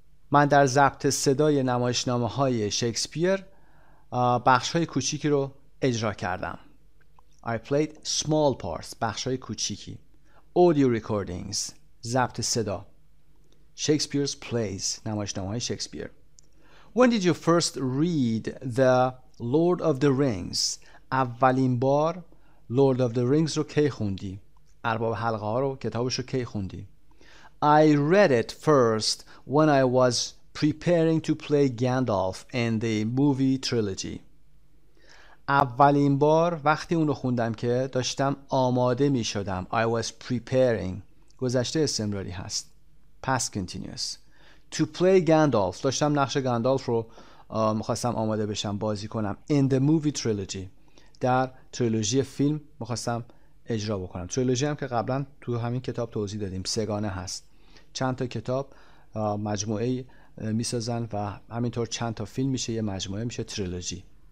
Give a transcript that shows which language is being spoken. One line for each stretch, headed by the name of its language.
Persian: من در ضبط صدای نمایشنامه‌های شکسپیر بخش‌های کوچیکی رو اجرا کردم.
English: I played small parts,
Persian: بخش‌های کوچیکی.
English: Audio recordings,
Persian: ضبط صدا.
English: Shakespeare's plays,
Persian: نمایشنامه‌های شکسپیر.
English: When did you first read The Lord of the Rings?
Persian: اولین بار Lord of the Rings رو کی خوندی؟ ارباب حلقه ها رو کتابش رو کی خوندی
English: I read it first when I was preparing to play Gandalf in the movie trilogy
Persian: اولین بار وقتی اون رو خوندم که داشتم آماده می شدم
English: I was preparing
Persian: گذشته استمراری هست past continuous
English: to play Gandalf
Persian: داشتم نقش گندالف رو میخواستم آماده بشم بازی کنم
English: in the movie trilogy
Persian: در تریلوژی فیلم میخواستم اجرا بکنم تریلوژی هم که قبلا تو همین کتاب توضیح دادیم سگانه هست چند تا کتاب مجموعه میسازن و همینطور چند تا فیلم میشه یه مجموعه میشه تریلوژی